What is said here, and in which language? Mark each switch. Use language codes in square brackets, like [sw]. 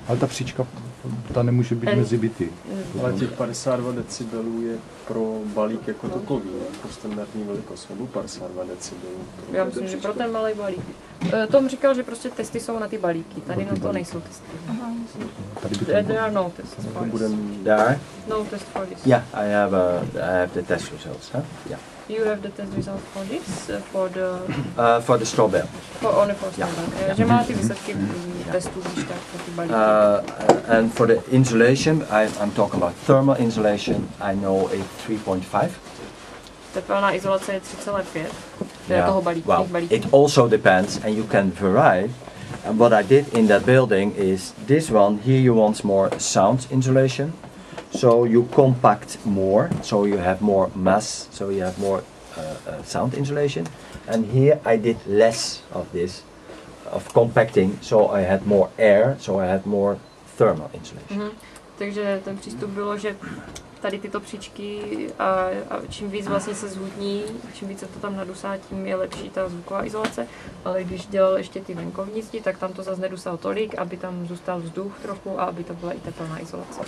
[cs] Ale ta příčka, ta nemůže být mezi byty. Ale těch 52 decibelů je pro balík jako takový, pro standardní velikost, nebo 52 decibelů? Já myslím, že pro ten malý balík. Tom říkal, že prostě testy jsou na ty balíky, tady na to nejsou testy. Tady by to bude... [en] No test for this. Yeah, I have the test results, huh? Yeah. You have the test results for this, for the... For the straw bale. For only for straw bale. Yeah. [cs] Že má ty výsledky testů, když tak pro ty balíky. [en] And for the insulation, I'm talking about thermal insulation, I know a 3.5. [cs] Tepelná izolace je 3.5. [en] Yeah. Well, it also depends, and you can vary. And what I did in that building is this one here. You want more sound insulation, so you compact more, so you have more mass, so you have more sound insulation. And here I did less of this, of compacting, so I had more air, so I had more thermal insulation. Mm-hmm. [cs] Takže ten přístup bylo, že tady tyto příčky a čím víc vlastně se zhutní, čím víc se to tam nadusá, tím je lepší ta zvuková izolace. Ale když dělal ještě ty venkovní zdi, tak tam to zase nedusal tolik, aby tam zůstal vzduch trochu a aby to byla i teplná izolace.